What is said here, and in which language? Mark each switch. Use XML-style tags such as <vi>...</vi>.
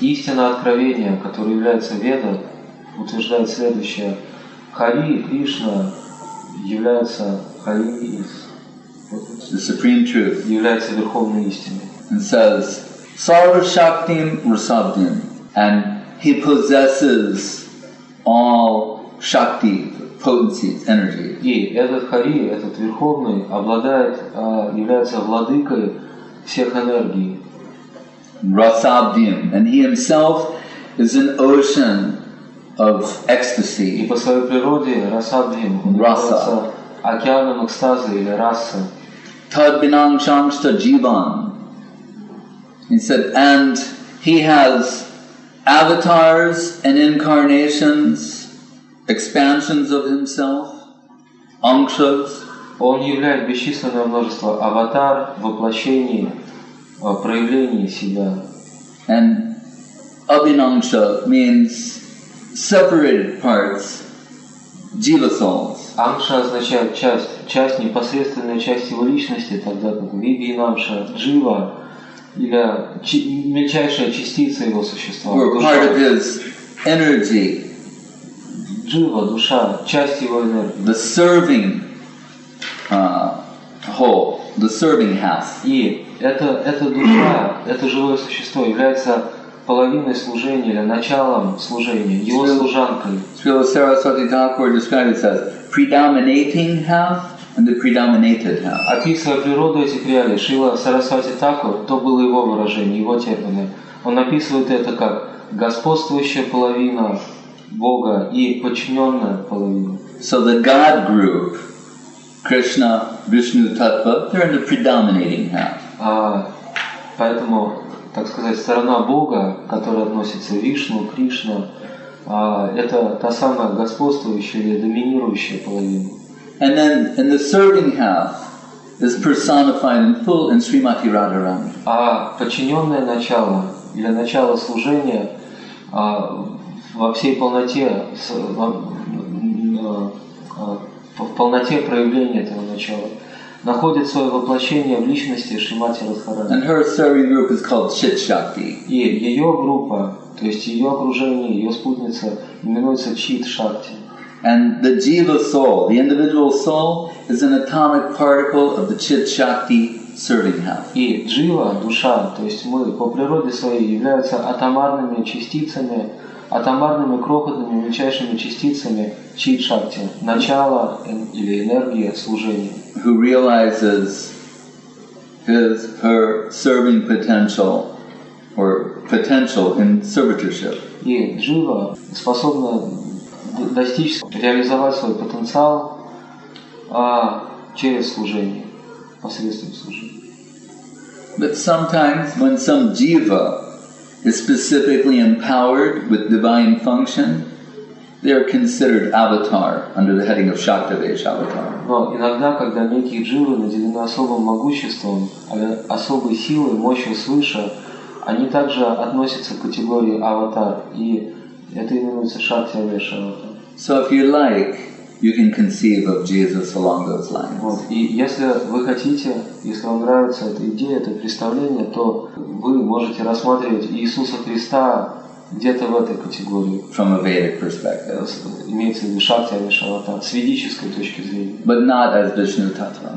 <ru>Истина откровения, которая является Веда, утверждает следующее. Хари, Кришна, является Хари из...</ru> <en>The supreme truth.</en> <ru>Является верховной истиной.</ru> <en>And says,</en> <sa>Sarva Shaktim Rasabdim.</sa> <en>And he possesses all shakti, potencies, energy.</en> <ru>И этот Хари, этот верховный, обладает, является владыкой всех энергий.</ru> <en>Rasabdim, and he himself is an ocean of ecstasy.</en> <ru>И по своей природе Rasabdim, он Является океаном экстаза или раса.</ru> <sa>Tadbinam shamsta jivan.</sa> <en>He said, and he has avatars and incarnations, expansions of himself, amkshas.</en> <ru>Он являет бесчисленное множество аватар, воплощений, проявлений себя.</ru> <en>And abhinamsha means separated parts, jiva souls.</en> <ru>Amksha означает часть, часть, непосредственная часть его личности, тогда как vibhinamsha, jiva. Или мельчайшая частица его существа.</ru> <en>Or part of his energy.</en> <ru>Джива, душа, часть его энергии.</ru> <en>The serving whole, the serving half.</en> <ru>И эта душа, это живое существо является половиной служения или началом служения, его служанкой.</ru> <en>Srila Saraswati Thakur described it as predominating half. And the predominated half.</en> <ru>Описывая природу этих реалий, Шрила Сарасвати Такур, то было его выражение, его термины. Он описывает это как господствующая половина Бога и подчиненная половина.</ru> <en>So the God group, Krishna, Vishnu, Tattva, they're in the predominating half.</en> <ru>Поэтому, так сказать, сторона Бога, которая относится к Вишну, Кришна, это та самая господствующая или доминирующая половина.</ru> <en>And then in the serving half is personified in full in Srimati Radharani.</en> <ru>А подчиненное начало или начало служения во всей полноте в полноте проявления этого начала находит свое воплощение в личности Шримати Радхарани.</ru> <en>And her serving group is called Chit Shakti.</en> <ru>И ее группа, то есть ее окружение, ее спутница именуется Chit Shakti.</ru> <en>And the jiva soul, the individual soul, is an atomic particle of the chit shakti serving him.</en> <ru>И джива, душа, то есть мы по природе своей являются атомарными частицами, атомарными крохотными мельчайшими частицами чит шакти, начала или энергии служения.</ru> <en>Who realizes his, her serving potential or potential in servitorship?</en> <ru>И джива способна достичь, реализовать свой потенциал через служение, посредством служения.</ru> <en>But sometimes when some jiva is specifically empowered with divine function, they are considered avatar under the heading of Shaktavesh avatar.</en> <ru>Но иногда, когда некие дживы наделены особым могуществом, особой силой, мощью свыше, они также относятся к категории аватар, и это именуется Шактавеш аватар.</ru> <en>So if you like, you can conceive of Jesus along those lines.</en> <ru>Вот. И если вы хотите, если вам нравится эта идея, это представление, то вы можете рассматривать Иисуса Христа где-то в этой категории.</ru> <en>From a Vedic perspective.</en> <ru>Имеется в виду Шакти Амишавата, с ведической точки зрения.</ru> <en>But not as Vishnu Tattva.</en>